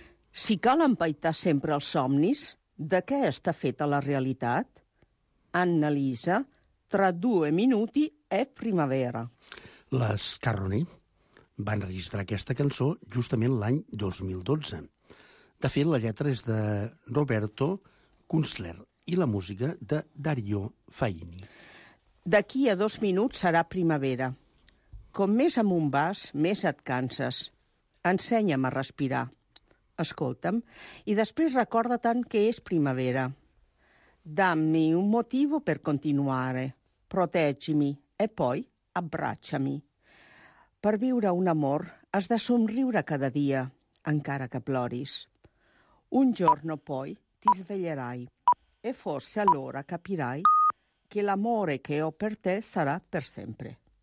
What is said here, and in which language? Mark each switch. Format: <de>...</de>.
<ca>Si cal empaitar sempre els somnis, de què està feta la realitat?</ca> <it>Anna Lisa, tra due minuti è primavera.</it> <ca>Les Carroni van registrar aquesta cançó justament l'any 2012. De fet, la lletra és de Roberto Kunstler i la música de Dario Faini. D'aquí a dos minuts serà primavera. Com més amunt vas, més et canses. Ensenya'm a respirar. Escolta'm, i després recorda-te'n que és primavera.</ca> <it>Dammi un motivo per continuare. Proteggimi e poi abbracciami.</it> <ca>Per viure un amor has de somriure cada dia, encara que ploris.</ca> <it>Un giorno poi ti sveglierai e forse allora capirai che l'amore che ho per te sarà per sempre.</it>